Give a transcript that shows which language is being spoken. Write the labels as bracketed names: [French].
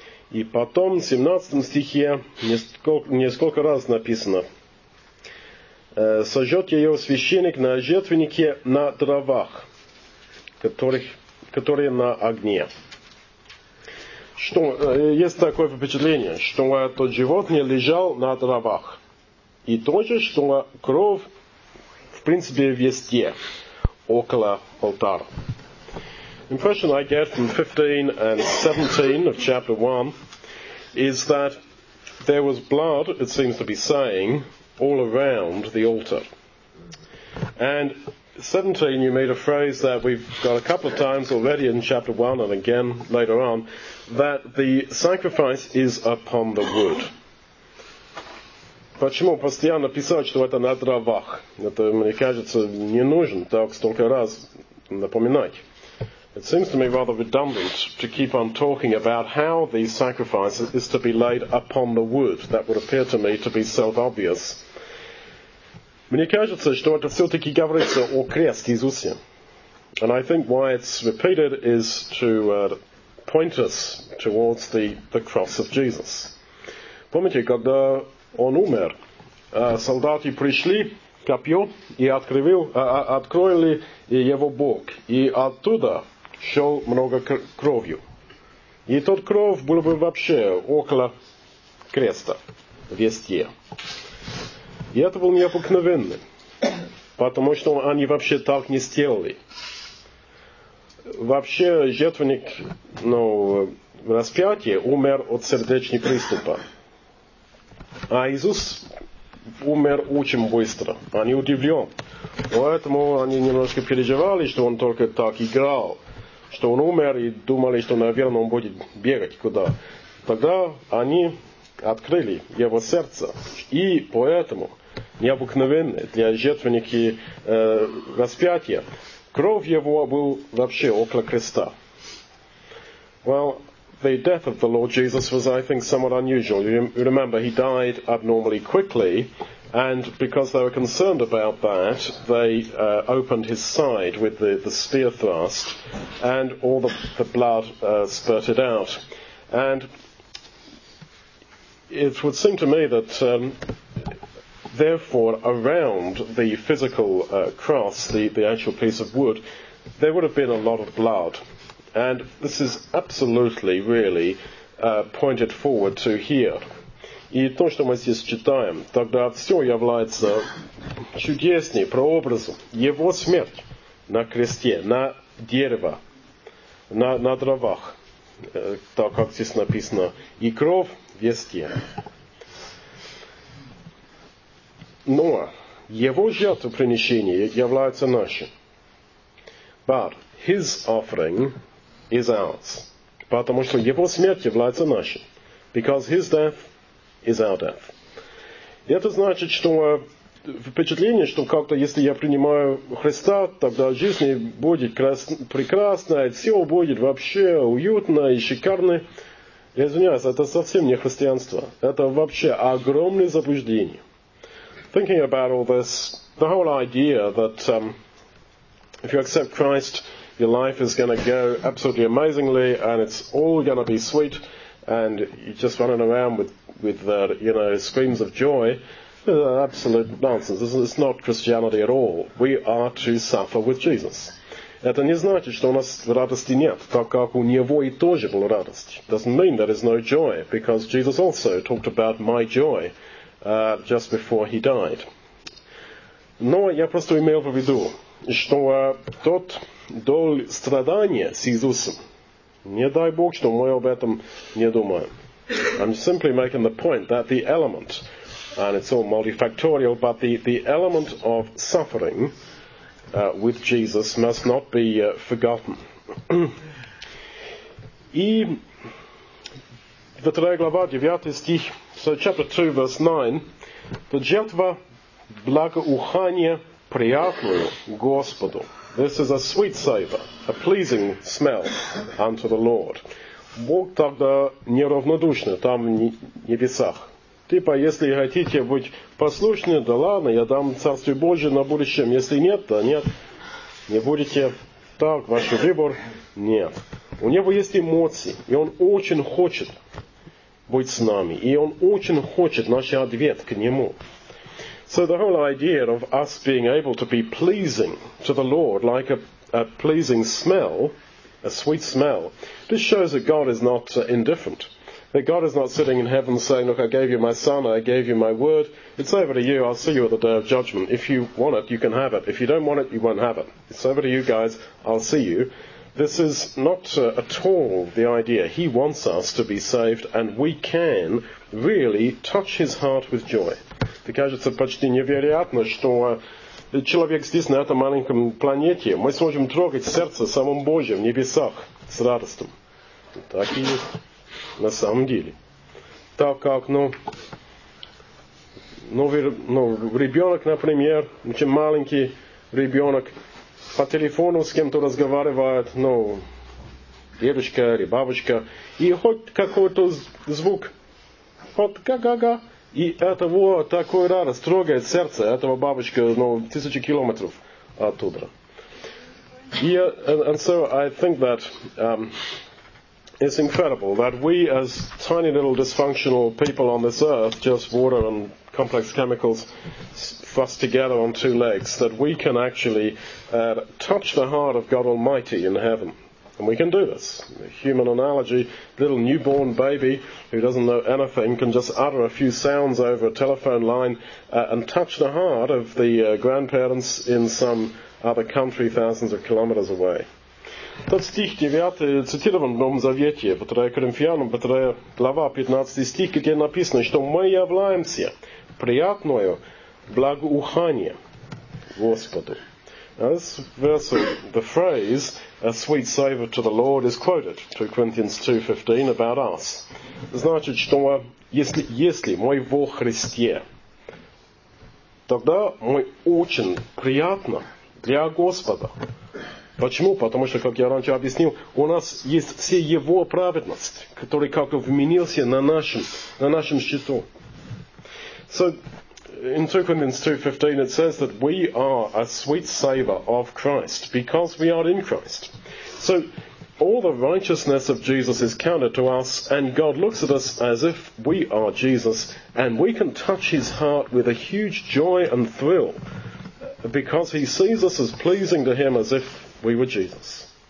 [Russian] И потом, в 17 стихе, несколько раз написано, сожжет ее священник на жертвеннике на дровах, которые на огне. Что, есть такое впечатление, что это животное лежало на дровах. И то же, что кровь в принципе, везде, около алтаря. [English] Impression I get from 15 and 17 of chapter 1 is that there was blood, it seems to be saying, all around the altar. And 17, you made a phrase that we've got a couple of times already in chapter 1 and again later on, that the sacrifice is upon the wood. [Russian] Почему постоянно писать, что это на дровах? Это, мне кажется, не нужно так столько раз напоминать. [English] It seems to me rather redundant to keep on talking about how the sacrifice is to be laid upon the wood. That would appear to me to be self-obvious. [Russian] Мне кажется, что это все-таки говорится о кресте Иисусе. [English] And I think why it's repeated is to point us towards the cross of Jesus. [Russian] Помните, когда он умер. Солдаты пришли, копье, и открыли его бок. И оттуда шел много кровью. И тот кровь был бы вообще около креста, везде. И это было необыкновенно. Потому что они вообще так не сделали. Вообще жертвенник, ну, распятие умер от сердечного приступа. А Иисус умер очень быстро. Они удивлен. Поэтому они немножко переживали, что он только так играл. Что он умер и думали, что, наверное, он будет бегать куда. Тогда они открыли его сердце. И поэтому необыкновенно для жертвенники распятия. Кровь его была вообще около креста. [English] Well, the death of the Lord Jesus was, I think, somewhat unusual. You remember, he died abnormally quickly, and because they were concerned about that, they opened his side with the spear thrust, and all the blood spurted out. And it would seem to me that, therefore, around the physical cross, the actual piece of wood, there would have been a lot of blood. And this is absolutely, really, pointed forward to here. [Russian] И то, что мы здесь читаем, тогда все является чудеснее, прообразом. Его смерть на кресте, на дерево, на дровах, так как здесь написано, и кровь везде. Но его жертвоприношение является нашим. [English] But his offering is ours. [Russian] Потому что его смерть является нашей. [English] Because his death is our death. [Russian] И это значит, что впечатление, что как-то если я принимаю Христа, тогда жизнь будет прекрасная, все будет вообще уютно и шикарно. Я извиняюсь, это совсем не христианство. Это вообще огромное заблуждение. [English] Thinking about all this, the whole idea that if you accept Christ, your life is going to go absolutely amazingly, and it's all going to be sweet, and you're just running around with screams of joy. Absolute nonsense. It's not Christianity at all. We are to suffer with Jesus. [Russian] Это не значит, что у нас радости нет, так как у него и тоже была радость. [English] It doesn't mean there is no joy, because Jesus also talked about my joy just before he died. [Russian] Но я просто имел в виду, что тот долг страдания с Иисусом. Не дай Бог, что мы об этом не думаем. [English] I'm simply making the point that the element, and it's all multifactorial, but the element of suffering with Jesus must not be forgotten. [Russian] И вторая глава, 9 стих, [English] so chapter 2, verse 9, [Russian] то жертва благоухания приятную Господу. [English] This is a sweet savor, a pleasing smell unto the Lord. [Russian] Бог тогда неравнодушный там в небесах. Типа, если хотите быть послушны, да ладно, я дам Царствие Божие на будущем. Если нет, да нет, не будете. Так, ваш выбор. Нет. У него есть эмоции, и он очень хочет быть с нами. И он очень хочет наш ответ к нему. [English] So the whole idea of us being able to be pleasing to the Lord, like a pleasing smell, a sweet smell, this shows that God is not indifferent. That God is not sitting in heaven saying, look, I gave you my son, I gave you my word, it's over to you, I'll see you at the day of judgment. If you want it, you can have it. If you don't want it, you won't have it. It's over to you guys, I'll see you. This is not at all the idea. He wants us to be saved, and we can really touch his heart with joy. [Russian] Это кажется почти невероятно, что человек здесь, на этом маленьком планете, мы сможем трогать сердце самым Божьим в небесах с радостью. Так и есть. На самом деле. Так как, ребенок, например, очень маленький ребенок, по телефону с кем-то разговаривает, дедушка или бабушка, и хоть какой-то звук, вот га-га-га, и это вот такой радость, трогает сердце этого бабочка, тысячи километров оттуда. [English] And so I think that... It's incredible that we, as tiny little dysfunctional people on this earth, just water and complex chemicals fussed together on two legs, that we can actually touch the heart of God Almighty in heaven. And we can do this. A human analogy, little newborn baby who doesn't know anything can just utter a few sounds over a telephone line and touch the heart of the grandparents in some other country thousands of kilometers away. [Russian] Тот стих 9 цитирован в Новом Завете, 2 Коринфянам, 2 глава, 15 стих, где написано, что мы являемся приятное благоухание Господу. [English] Now this verse, the phrase, a sweet savor to the Lord, is quoted, 2 Corinthians 2:15, about us. [Russian] Значит, что если мы во Христе, тогда мы очень приятно для Господа. Почему? Потому что, как я раньше объяснил, у нас есть все его праведности, которые как-то вменился на нашем счету. [English] So, in 2 Corinthians 2:15 it says that we are a sweet savor of Christ because we are in Christ. So, all the righteousness of Jesus is counted to us, and God looks at us as if we are Jesus, and we can touch his heart with a huge joy and thrill because he sees us as pleasing to him as if we were Jesus.